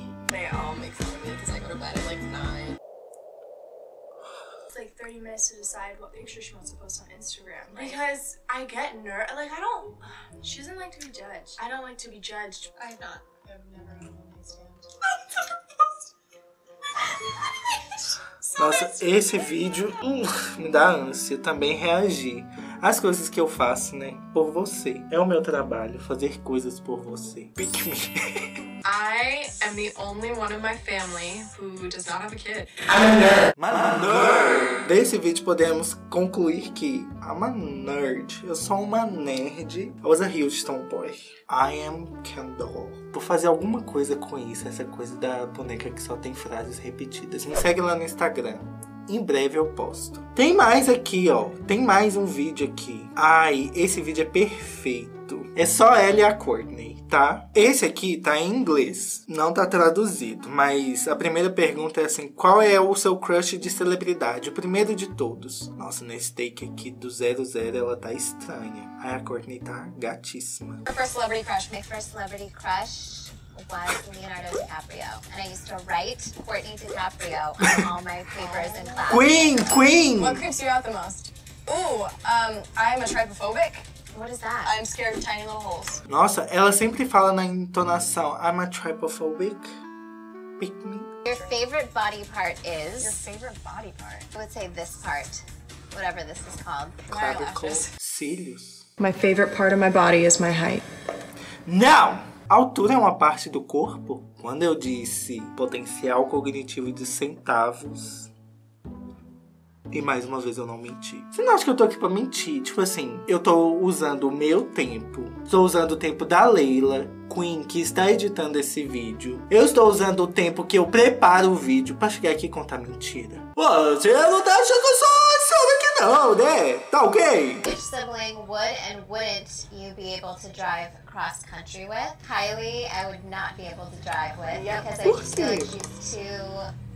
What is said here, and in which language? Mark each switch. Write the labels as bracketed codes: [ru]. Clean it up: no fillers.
[en] They all make fun of me because I go to bed at like 9. It's like 30 minutes to decide what picture she wants to post on Instagram. Like, because I get nervous. Like, I don't... She doesn't like to be judged. I don't like to be judged. I'm not. I've never had one of these fans. [pt] Nossa, esse vídeo me dá ânsia também reagir às coisas que eu faço, né? Por você. É o meu trabalho, fazer coisas por você. [en] Pick me. I am the only one in my family who does not have a kid. I'm a nerd. My nerd. [pt] Desse vídeo podemos concluir que [en] I'm a nerd. [pt] Eu sou uma nerd. [en] I was a huge tomboy. I am Kendall. [pt] Vou fazer alguma coisa com isso, essa coisa da boneca que só tem frases repetidas. Me segue lá no Instagram. Em breve eu posto. Tem mais aqui, ó. Tem mais um vídeo aqui. Ai, esse vídeo é perfeito. É só ela e a Courtney, tá? Esse aqui tá em inglês. Não tá traduzido, mas a primeira pergunta é assim. Qual é o seu crush de celebridade? O primeiro de todos. Nossa, nesse take aqui do 00 ela tá estranha. Ai, a Courtney tá gatíssima. [en] My first celebrity crush. My first celebrity crush. Was Leonardo DiCaprio, and I used to write Courtney DiCaprio on all my papers in class. Queen, queen! What creeps you out the most? Ooh, I'm a trypophobic. What is that? I'm scared of tiny little holes. [pt] Nossa, ela sempre fala na intonação, [en] I'm a trypophobic. Pick me. Your favorite body part is? Your favorite body part? I would say this part, whatever this is called. Clavicle. Cílios. My favorite part of my body is my height. Now! [pt] Altura é uma parte do corpo? Quando eu disse potencial cognitivo de centavos... E mais uma vez eu não menti. Você não acha que eu tô aqui pra mentir? Tipo assim, eu tô usando o meu tempo. Estou usando o tempo da Leila, Queen, que está editando esse vídeo. Eu estou usando o tempo que eu preparo o vídeo pra chegar aqui e contar mentira. Pô, você não tá achando que eu sou insano aqui não, né? Tá ok? [en] Which sibling would and wouldn't you be able to drive cross country with? Kylie, I would not be able to drive with. Yep. Because I just feel like she's too...